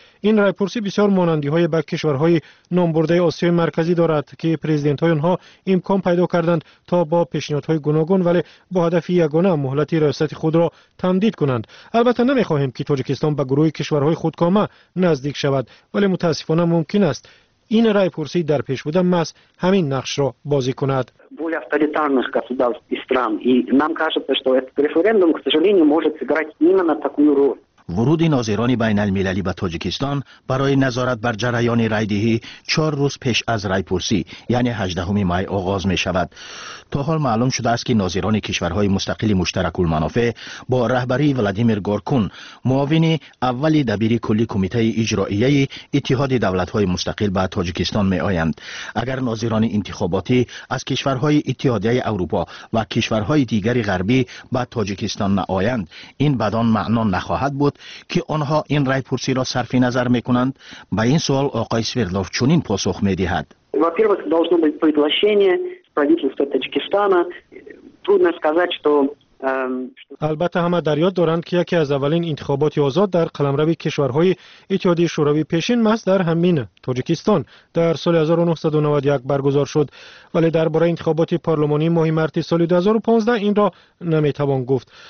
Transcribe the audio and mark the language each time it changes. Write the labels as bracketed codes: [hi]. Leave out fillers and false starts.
[fa] این رای پرسی بسیار مانندی های به کشورهای نامبرده آسیای مرکزی دارد که پرزیدنت های آنها امکان پیدا کردند تا با پیشنهادهای گوناگون ولی با هدف یگانه مهلت ریاست خود را تمدید کنند. البته نمی خواهیم که تاجیکستان به گروه کشورهای خودکامه نزدیک شود، ولی متاسفانه ممکن است این رای پرسی در پیش بوده ماست همین نقش را بازی کند. [ru] Более авторитарных государств и стран. И нам кажется, что этот референдум, к сожалению, может сыграть именно такую роль. [fa] ورود ناظران بین المللی به تاجیکستان برای نظارت بر جریان رایدهی 4 روز پیش از رای پرسی یعنی 18 می آغاز می شود. تا حال معلوم شده است که ناظران کشورهای مستقل مشترک المنافع با رهبری ولادیمیر گورکون، معاون اول دبیر کلی کمیته اجرایی اتحاد دولت‌های مستقل به تاجیکستان می آیند. اگر ناظران انتخاباتی از کشورهای اتحادیه اروپا و کشورهای دیگری غربی به تاجیکستان نآیند، این بدان معنا نخواهد بود که آنها این رای پرسی را صرف نظر می کنند. با این سوال آقای سویردلوف چنین پاسخ می دهد. [ru] Во-первых, должно быть приглашение правительства Таджикистана. Трудно сказать, что [fa] البته همه در یاد دارند که یکی از اولین انتخابات آزاد در قلمرو کشورهای اتحادیه شوروی پیشین ماست در همین تاجیکستان در سال 1991 برگزار شد، ولی درباره انتخابات پارلمانی ماه مارس سال 2015 این را نمیتوان گفت.